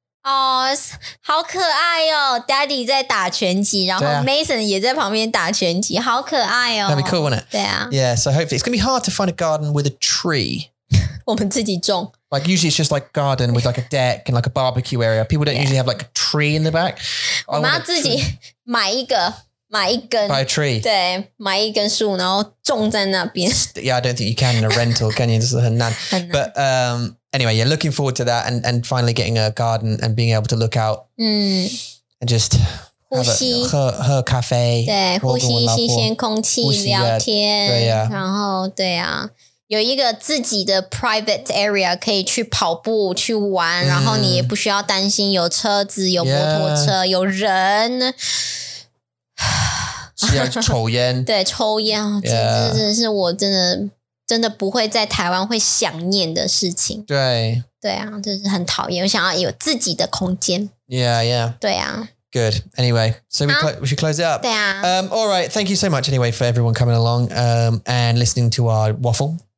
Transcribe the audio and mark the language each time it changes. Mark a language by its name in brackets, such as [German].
[Chinese] Oh, 好可爱哦 Daddy 在打拳击然后 Mason 也在旁边打拳击好可爱哦 [English] That'd be cool, wouldn't it? [Chinese] 对啊 [English] Yeah, so hopefully It's going to be hard to find a garden with a tree [Chinese] 我们自己种 [English] Like usually it's just like garden with like a deck and like a barbecue area People don't usually have like a tree in the back [Chinese] 我们要自己买一个买一根 [English] Buy a tree [Chinese] 对买一根树然后种在那边 [English] Yeah, I don't think you can in a rental, can you? [Chinese] 这是很难 [English] But, Anyway, you're looking forward to that and finally getting a garden and being able to look out and just have a [Chinese] 喝咖啡对呼吸新鲜空气聊天对呀、然后对啊有一个自己的 [English] private area [Chinese] 可以去跑步去玩、然后你也不需要担心有车子有摩托车、有人是要抽烟对抽烟、真的是我真的真的不会在台湾会想念的事情。对。对啊，就是很讨厌，我想要有自己的空间。 [English] Yeah, yeah. [Chinese] 对啊。 [English] Good. Anyway, so we should close it up. [Chinese] 对啊。 [English] All right, thank you so much anyway for everyone coming along and listening to our waffle.